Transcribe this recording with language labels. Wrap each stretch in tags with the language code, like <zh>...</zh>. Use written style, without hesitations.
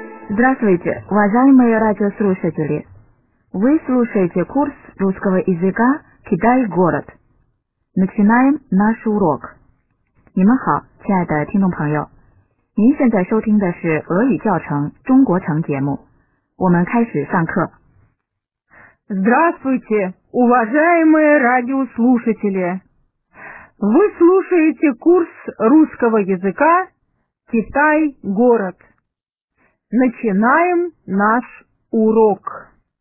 <ru>Здравствуйте, уважаемые радиослушатели. Вы слушаете курс русского языка «Китай-город». Начинаем наш урок.</ru> <zh>你们好，亲爱的听众朋友，您现在收听的是俄语教程中国城节目，我们开始上课。</zh> <ru>Здравствуйте, уважаемые радиослушатели. Вы слушаете курс русского языка «Китай-город». Начинаем наш урок.</ru>